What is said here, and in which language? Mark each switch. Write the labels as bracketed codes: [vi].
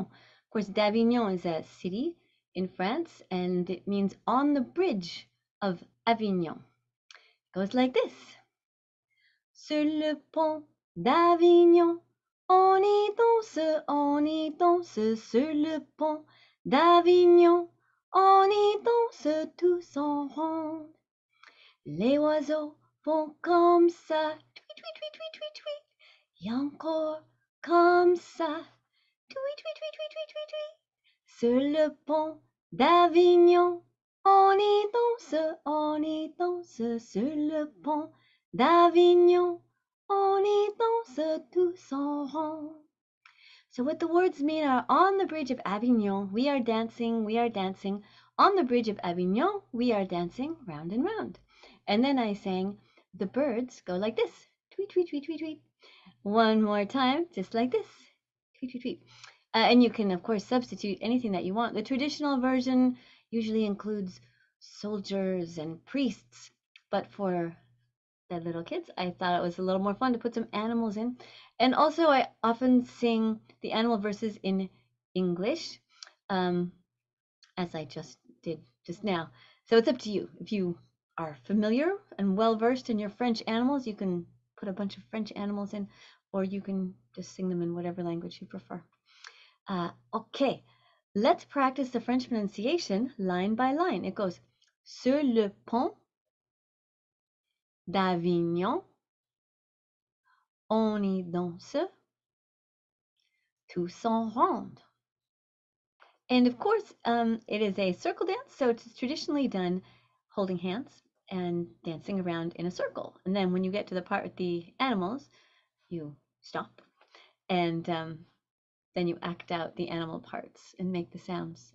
[en] Of course, d'Avignon is a city in France and it means on the bridge of Avignon. It goes like this. [fr] Sur le pont d'Avignon, on y danse, sur le pont d'Avignon, on y danse tous en rond. Les oiseaux font comme ça, tweet, tweet, tweet, tweet, tweet, tweet, et encore comme ça, tweet, tweet, tweet, tweet, tweet, tweet, tweet. Sur le pont d'Avignon, on y danse, sur le pont d'Avignon, on y danse tous en rond. [en] So what the words mean are on the bridge of Avignon, we are dancing, on the bridge of Avignon, we are dancing round and round. And then I sang, the birds go like this, tweet, tweet, tweet, tweet, tweet. One more time, just like this, tweet, tweet, tweet. And you can, of course, substitute anything that you want. The traditional version usually includes soldiers and priests, but for the little kids, I thought it was a little more fun to put some animals in. And also, I often sing the animal verses in English, as I just did just now. So it's up to you. If you are familiar and well-versed in your French animals, you can put a bunch of French animals in, or you can just sing them in whatever language you prefer. Okay, let's practice the French pronunciation line by line. It goes, [fr] sur le pont d'Avignon, on y danse, tous en rond. [en] And of course, it is a circle dance, so it's traditionally done holding hands and dancing around in a circle. And then when you get to the part with the animals, you stop. And then you act out the animal parts and make the sounds.